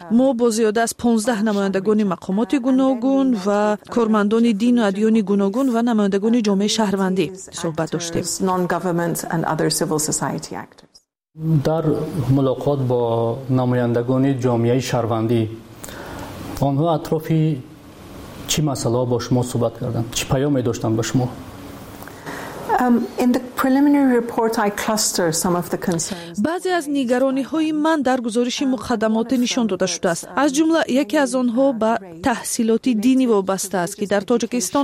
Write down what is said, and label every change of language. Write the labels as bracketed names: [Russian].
[Persian] ما با زیاده از 15 نمایندگان مقامات گوناگون و کارمندان دین و ادیان گوناگون و نمایندگان جامعه شهروندی صحبت داشتیم. در ملاقات با نمایندگان جامعه شهروندی، آنها اطراف چی مسئله با شما صحبت کردند؟ چی پیامی داشتند با شما؟ [English] In the preliminary report, I cluster some of the concerns. [Persian] بعضی از نگرانی های من در گزارش مقدمات نشان داده شده است. از جمله یکی از آنها به تحصیلات دینی وابسته است که در تاجیکستان